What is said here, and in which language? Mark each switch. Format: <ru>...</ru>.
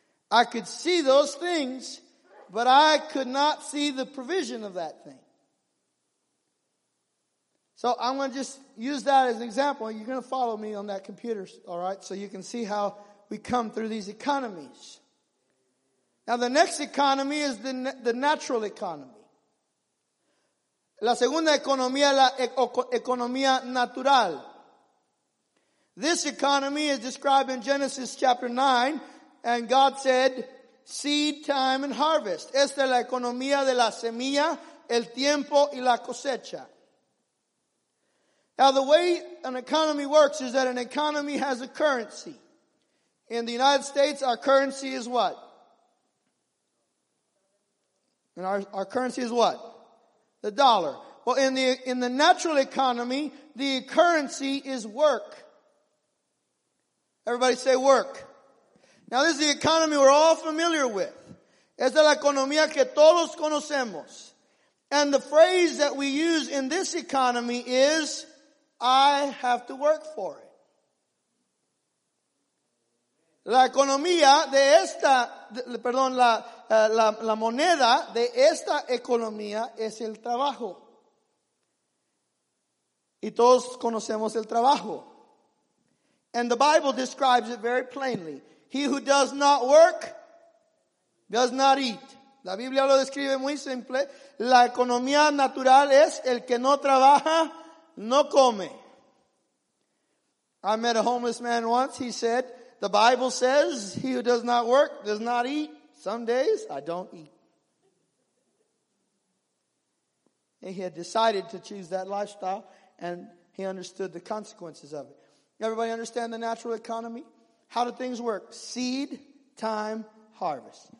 <en>I could see those things, but I could not see the provision of that thing. So I'm going to just use that as an example. You're going to follow me on that computer, all right? So you can see how we come through these economies. Now the next economy is the natural economy.</en> <es>La segunda economía, la economía natural.</es> <en>This economy is described in Genesis chapter 9. And God said, seed, time, and harvest.</en> <es>Esta es la economía de la semilla, el tiempo y la cosecha.</es> <en>Now, the way an economy works is that an economy has a currency. In the United States, our currency is what? And our currency is what? The dollar. Well, in the natural economy, the currency is work. Everybody say work. Now, this is the economy we're all familiar with.</en> <es>Es la economía que todos conocemos.</es> <en>And the phrase that we use in this economy is, I have to work for it.</en> <es>La economía de esta, perdón, la moneda de esta economía es el trabajo. Y todos conocemos el trabajo.</es> <en>And the Bible describes it very plainly. He who does not work, does not eat.</en> <es>La Biblia lo describe muy simple. La economía natural es el que no trabaja, no come.</es> <en>I met a homeless man once. He said, the Bible says, he who does not work does not eat. Some days, I don't eat. he had decided to choose that lifestyle, and he understood the consequences of it. Everybody understand the natural economy? How do things work? Seed, time, harvest.</en>